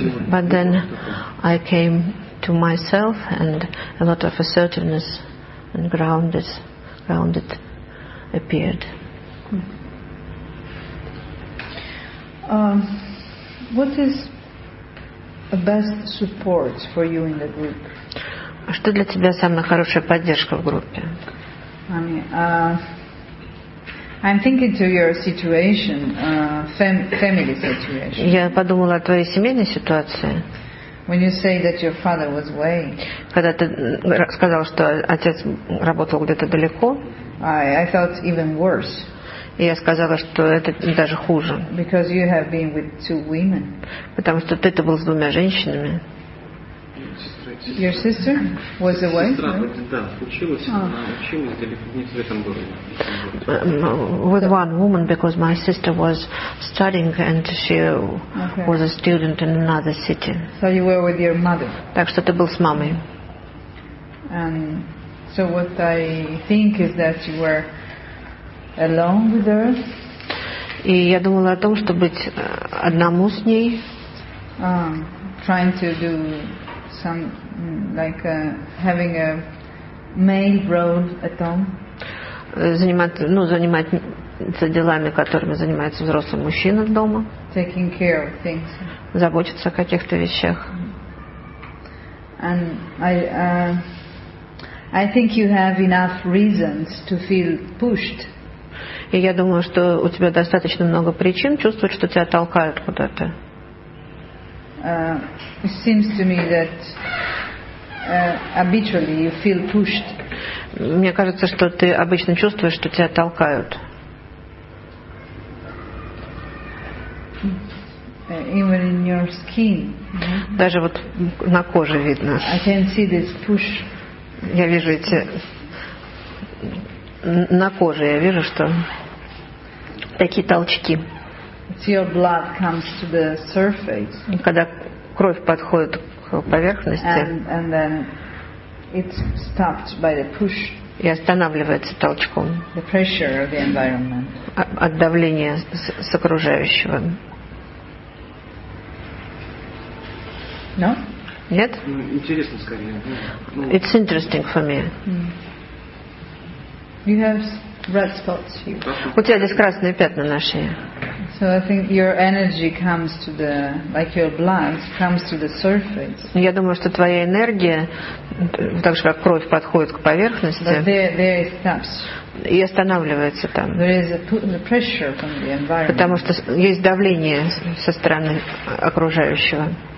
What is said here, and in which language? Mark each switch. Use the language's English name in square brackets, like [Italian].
[English] But then I came to myself and a lot of assertiveness and grounded appeared. What is the best support for you in the group? [Russian] Что для тебя самая хорошая поддержка в группе? [English] I'm thinking to your situation, family situation. [Russian] Я подумала о твоей семейной ситуации. [English] When you say that your father was away. [Russian] Когда ты сказал, что отец работал где-то далеко. [English] I felt even worse. [Russian] Я сказала, что это даже хуже. [English] Because you have been with two women. [Russian] Потому что ты-то был с двумя женщинами. [English] Your sister was away? [Russian] Сестра, да, училась, она училась далеко, не в этом городе. [English] With one woman, because my sister was studying and she was a student in another city. So you were with your mother. [Russian] Так что ты был с мамой. [English] And so what I think is that you were alone with her. [Russian] И я думала о том, чтобы быть одному с ней. [English] Trying to do some like having a male role at home. [Russian] Заниматься делами, которыми занимается взрослый мужчина дома. [English] Taking care of things. [Russian] Заботиться о каких-то вещах. [English] And I think you have enough reasons to feel pushed. [Russian] И я думаю, что у тебя достаточно много причин чувствовать, что тебя толкают куда-то. [English] It seems to me that habitually you feel pushed. [Russian] Мне кажется, что ты обычно чувствуешь, что тебя толкают. [English] Even in your skin. [Russian] Даже вот на коже видно. [English] I can see this push. [Russian] Я вижу эти на коже. Я вижу, что такие толчки. [English] It's your blood comes to the surface. [Russian] Когда кровь подходит к поверхности. [English] And then it's stopped by the push. [Russian] И останавливается толчком. [English] The pressure of the environment. [Russian] От давления с окружающего. [English] No? [Russian] Нет? Интересно скорее. [English] It's interesting for me. You have red spots here. [Russian] У тебя здесь красные пятна на шее. [English] So I think your energy comes to the, like your blood comes to the surface. [Russian] Я думаю, что твоя энергия, так же как кровь подходит к поверхности, [English] but there it stops. [Russian] И останавливается там. [English] There is a pressure from the environment. [Russian] Потому что есть давление со стороны окружающего.